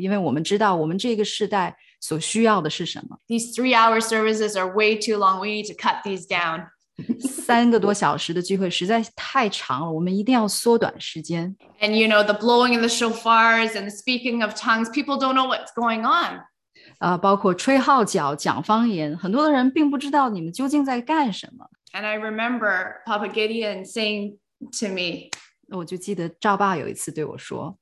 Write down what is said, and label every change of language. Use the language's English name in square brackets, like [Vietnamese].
[Chinese] 我觉得很多时候好像我里面有一个想法，觉得我比你们，我们比你们知道的更多，了解的更清楚，因为我们知道我们这个世代所需要的是什么。 [English] These 3-hour services are way too long. We need to cut these down. [Chinese] 3个多小时的聚会实在太长了，我们一定要缩短时间。 [English] And you know, the blowing of the shofars and the speaking of tongues, people don't know what's going on. [Chinese] 包括吹号角、讲方言，很多人并不知道你们究竟在干什么。 [English] And I remember Papa Gideon saying to me, [Chinese] 我就记得赵爸有一次对我说,